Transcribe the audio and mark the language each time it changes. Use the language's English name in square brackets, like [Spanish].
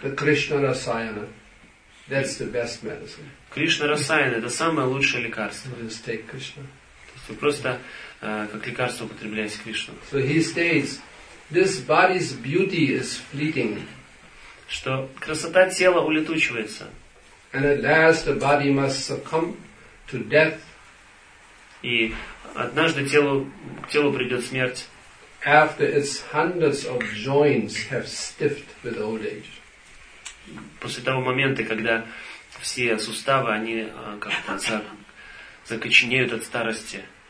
[English] The Krishna Rasayana. That's the best medicine. [Russian] Krishna Rasayana это самое лучшее лекарство. [English] Just take Krishna. [Russian] То есть вы просто как лекарство употребляете Кришну. [English] So he states. This body's beauty is fleeting. [Russian] Что красота тела улетучивается. [English] And at last the body must succumb to death. [Russian] И однажды телу придет смерть. [English] After its hundreds of joints have stiffed with old age. [Russian] После того момента, когда все суставы они как-то закоченеют от старости.